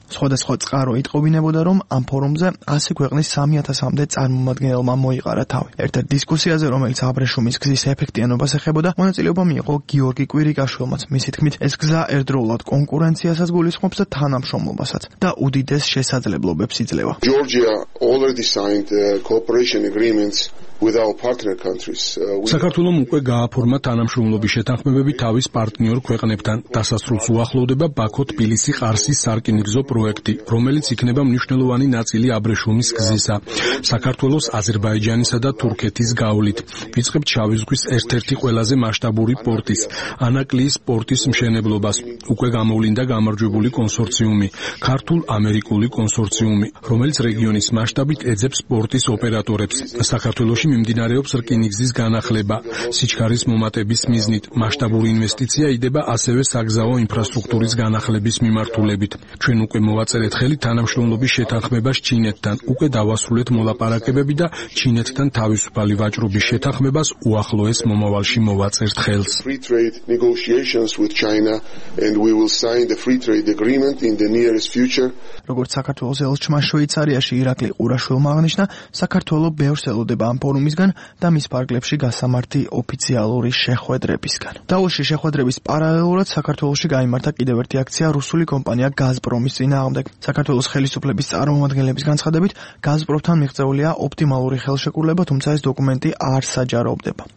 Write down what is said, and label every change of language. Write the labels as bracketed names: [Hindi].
[Georgian] სხვადასხვა წყარო იტყობინებოდა, რომ ამ ფორუმზე 10 ქვეყნის 3000-მდე წარმომადგენელმა მოიყარა თავი. ერთ-ერთ დისკუსიაზე, რომელიც აბრეშუმის გზის ეფექტიანობას ეხებოდა, მონაწილეობა მიიღო გიორგი კვირიკაშვილმაც. მისი თქმით, ეს გზა ერთდროულად კონკურენციასაც გულისხმობს და თანამშრომლობასაც და უდიდეს შესაძლებლობებს იძლევა. [English] Georgia already signed cooperation agreements with our partner countries. [Georgian] საქართველომ უკვე გააფორმა თანამშრომლობის შეთანხმებები თავის პარტნიორ ქვეყნებთან. დასასრულს უახლოვდება ბაქო-თბილისი-ყარსის სარკინიგზო პროექტი, რომელიც იქნება მნიშვნელოვანი ნაწილი აბრეშუმის გზისა. საქართველოს, აზერბაიჯანისა და თურქეთის გავლით ვიწყებთ შავი ზღვის ერთ-ერთი ყველაზე მასშტაბური პორტის, ანაკლიის პორტის მშენებლობას. უკვე გამოვლინდა გამარჯვებული კონსორციუმი, ქართულ-ამერიკული კონსორციუმი, რომელიც რეგიონის მასშტაბით ეძებს პორტის ოპერატორებს. საქართველოში მიმდინარეობს რკინიგზის განახლება სიჩქარის მომატების მიზნით. მასშტაბური ინვესტიცია იდება ასევე საგზაო ინფრასტრუქტურის განახლების მიმართულებით. ჩვენ უკვე მოვაწერეთ ხელი თანამშრომლობის შეთანხმებას ჩინეთთან. უკვე დავასრულეთ მოლაპარაკებები და ჩინეთთან თავისუფალი ვაჭრობის შეთანხმებას უახლოეს მომავალში მოვაწერთ ხელს. [English] Free trade negotiations with China and we will sign the free trade agreement in the nearest future. [Georgian] როგორც საქართველოს ელჩმა შვეიცარიაში ირაკლი ყურაშვილმა აღნიშნა, საქართველო ბევრს ელოდება ამ ფორუმისგან და მის ფარგლებში გასამართი ოფიციალური შეხვედრებისგან. დაულში შეხვედრების პარალელურად საქართველოში გაიმართა კიდევ ერთი აქცია რუსული კომპანია გაზპრომის წინააღმდეგ. საქართველოს ხელისუფლების წარმომადგენლების განცხადებით, გაზპრომთან მიღწეულია ოპტიმალური ხელშეკრულება, თუმცა ეს დოკუმენტი არ საჯაროვდება.